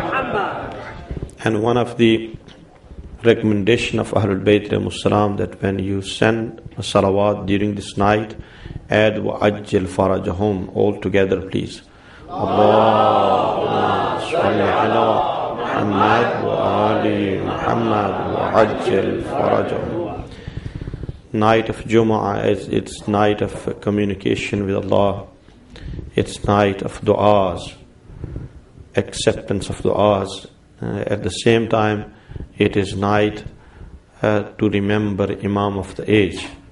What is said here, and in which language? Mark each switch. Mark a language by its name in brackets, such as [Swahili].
[English] And one of the recommendation of Ahlul Bayt alayhimus salam, that when you send a salawat during this night, add [Arabic] wa ajjil farajahum, [English] all together please. [Arabic] اللهم صل على محمد وآل محمد وعجل فرجهم. [English] Night of Jumu'ah is its night of communication with Allah. It's night of du'as, acceptance of du'as. At the same time, it is night to remember Imam of the age.